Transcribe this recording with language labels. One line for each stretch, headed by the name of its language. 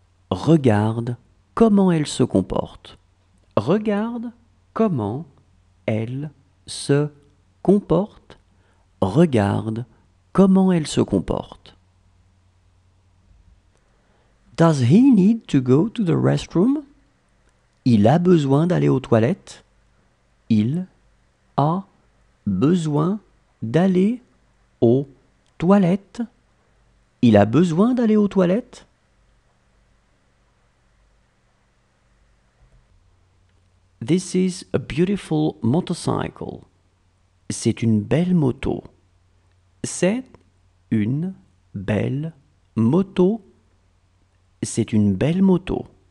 French: Regarde comment elle se comporte. Regarde comment elle se comporte. Regarde comment elle se comporte.
English: Does he need to go to the restroom?
French: Il a besoin d'aller aux toilettes. Il a besoin d'aller aux toilettes. Il a besoin d'aller aux toilettes.
English: This is a beautiful motorcycle.
French: C'est une belle moto. C'est une belle moto. C'est une belle moto.